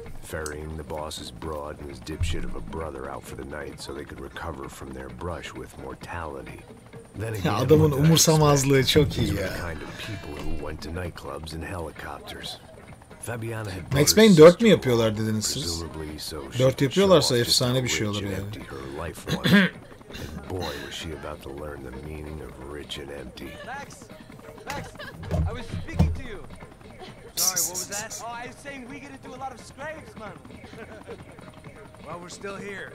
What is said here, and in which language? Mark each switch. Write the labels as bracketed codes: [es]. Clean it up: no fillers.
[en] Ferrying the boss's broad and his dipshit of a brother out for the night so they could recover from their brush with mortality. Then again, [tr] adamın umursamazlığı çok iyi ya. Kind of people who went to nightclubs and helicopters. Fabiana had Max Payne 4 mi yapıyorlar dediniz siz? 4 yapıyorlarsa efsane bir şey olur yani. [en] And boy was she about to learn the meaning of rich and empty. Max, Max, I was speaking to you. Sorry, what was that? Oh, I was saying we get into a lot of scrapes, man. Well, we're still here.